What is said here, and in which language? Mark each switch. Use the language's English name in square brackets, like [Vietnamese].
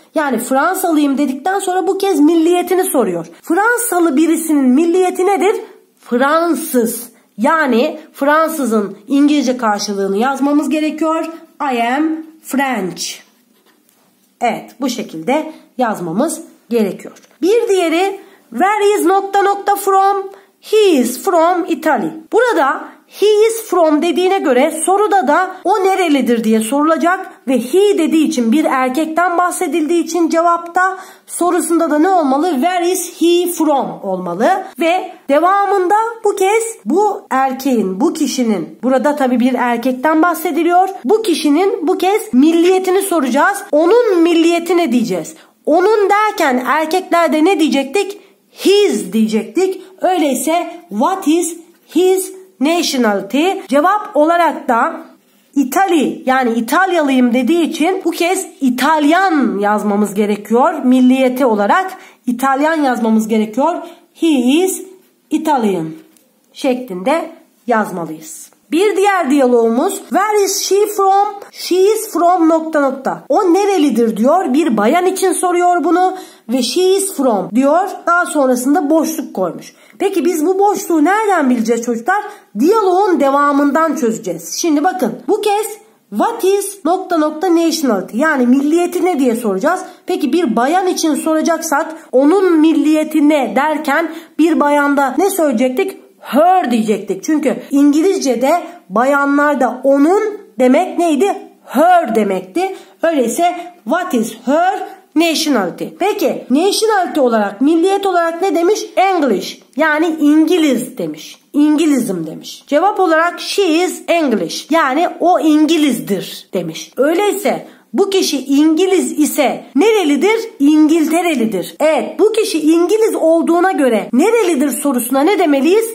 [Turkish] Yani Fransalıyım dedikten sonra bu kez milliyetini soruyor. Fransalı birisinin milliyeti nedir? Fransız. Yani Fransızın İngilizce karşılığını yazmamız gerekiyor. [English] I am French. [Turkish] Evet, bu şekilde yazmamız gerekiyor. Bir diğeri [English] where is [Turkish] nokta nokta [English] from? He is from Italy. [Turkish] Burada [English] he is from [Turkish] dediğine göre soruda da o nerelidir diye sorulacak ve he dediği için bir erkekten bahsedildiği için cevapta sorusunda da ne olmalı? [English] Where is he from [Turkish] olmalı ve devamında bu kez bu erkeğin, bu kişinin, burada tabii bir erkekten bahsediliyor. Bu kişinin bu kez milliyetini soracağız. Onun milliyetini diyeceğiz. Onun derken erkeklerde ne diyecektik? His diyecektik. Öyleyse [English] what is his nationality? [Turkish] Cevap olarak da İtali, yani İtalyalıyım dediği için bu kez İtalyan yazmamız gerekiyor. Milliyeti olarak İtalyan yazmamız gerekiyor. [English] He is Italian [Turkish] şeklinde yazmalıyız. Bir diğer diyalogumuz, [English] where is she from? She is from [Turkish] nokta nokta. O nerelidir diyor, bir bayan için soruyor bunu ve [English] she is from [Turkish] diyor. Daha sonrasında boşluk koymuş. Peki biz bu boşluğu nereden bileceğiz çocuklar? Diyaloğun devamından çözeceğiz. Şimdi bakın, bu kez [English] what is [Turkish] nokta nokta nationality, yani milliyeti ne diye soracağız. Peki bir bayan için soracaksak onun milliyeti ne derken bir bayanda ne söyleyecektik? Her diyecektik. Çünkü İngilizce'de bayanlarda onun demek neydi? Her demekti. Öyleyse [English] what is her nationality? [Turkish] Peki nationality olarak, milliyet olarak ne demiş? English, yani İngiliz demiş. İngilizim demiş. Cevap olarak [English] she is English, [Turkish] yani o İngilizdir demiş. Öyleyse bu kişi İngiliz ise nerelidir? İngiltere'lidir. Evet, bu kişi İngiliz olduğuna göre nerelidir sorusuna ne demeliyiz?